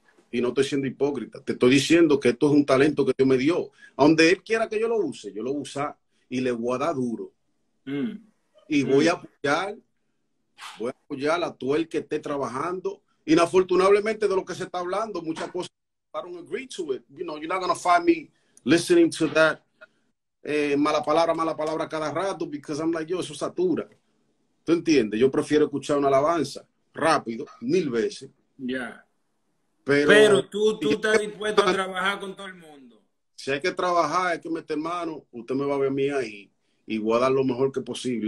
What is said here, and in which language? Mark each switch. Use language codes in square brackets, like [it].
[es] Y no estoy siendo hipócrita. Te estoy diciendo que esto es un talento que Dios me dio. Donde Él quiera que yo lo usa y le voy a dar duro. Y voy a apoyar a todo el que esté trabajando. Inafortunadamente de lo que se está hablando, muchas cosas [en] I don't agree to it. You know, you're not going to find me listening to that. [es] Mala palabra cada rato, [en] because I'm like, [es] yo, eso satura. ¿Tú entiendes? Yo prefiero escuchar una alabanza rápido, mil veces. Ya. [en] Yeah. [es] Pero tú estás dispuesto a trabajar con todo el mundo. Si hay que trabajar, hay que meter mano, usted me va a ver a mí ahí y voy a dar lo mejor que posible.